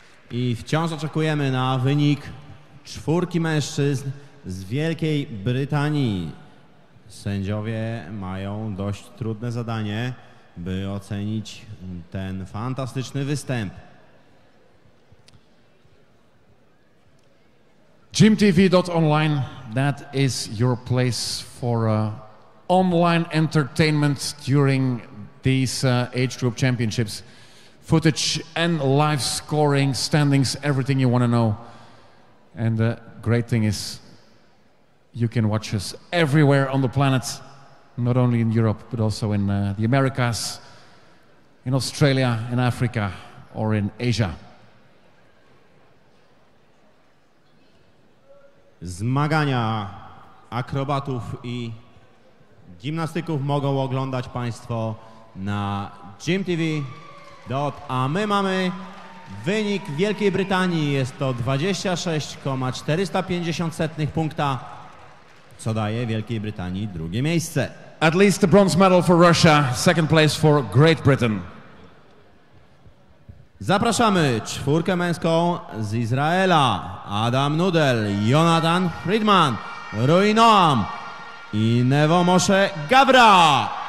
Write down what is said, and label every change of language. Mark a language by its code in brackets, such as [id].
[pl] I wciąż oczekujemy na wynik czwórki mężczyzn z Wielkiej Brytanii. Sędziowie mają dość trudne zadanie, by ocenić ten fantastyczny występ. [en] GymTV.online, that is your place for online entertainment during these age group championships. Footage and live scoring, standings, everything you want to know. And the great thing is, you can watch us everywhere on the planet, not only in Europe, but also in the Americas, in Australia, in Africa, or in Asia. [pl] Zmagania akrobatów i gimnastyków mogą oglądać Państwo na gymtv.com, a my mamy wynik Wielkiej Brytanii. Jest to 26,450 punkta, co daje Wielkiej Brytanii drugie miejsce. [en] At least the bronze medal for Russia, second place for Great Britain. [pl] Zapraszamy czwórkę męską z Izraela. Adam Nudel, Jonathan Friedman, Rui Noam i Nevo Moshe Gabra.